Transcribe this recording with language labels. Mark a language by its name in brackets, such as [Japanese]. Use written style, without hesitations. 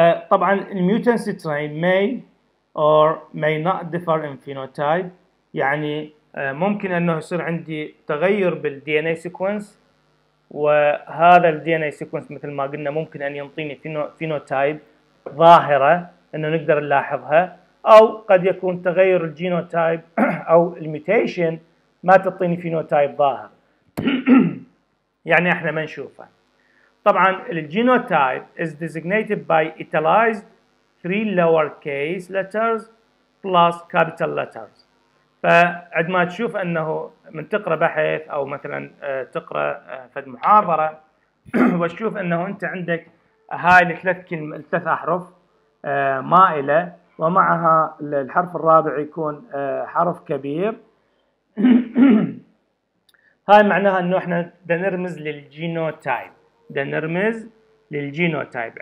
[Arabic] طبعا الميوتنت سترين [English] may or may not differ in phenotype، [Arabic] يعني ممكن انه يصير عندي تغير بالدي ان اي سيكونس، وهذا الدي ان اي سيكونس مثل ما قلنا ممكن ان ينطيني فينوتايب ظاهره انه نقدر نلاحظها، او قد يكون تغير الجينوتايب او الميوتيشن ما تعطيني فينوتايب ظاهر. يعني احنا ما نشوفه. طبعا الجينوتايب [English] is designated by italicized three lowercase letters plus capital letters. [Arabic] فعندما تشوف انه من تقرا بحث او مثلا تقرا فد محاضره وتشوف انه انت عندك هاي الثلاث كلمات الثلاث احرف مائله ومعها الحرف الرابع يكون حرف كبير، هاي معناها انه احنا بنرمز للجينوتايب، دا نرمز للجينوتايب.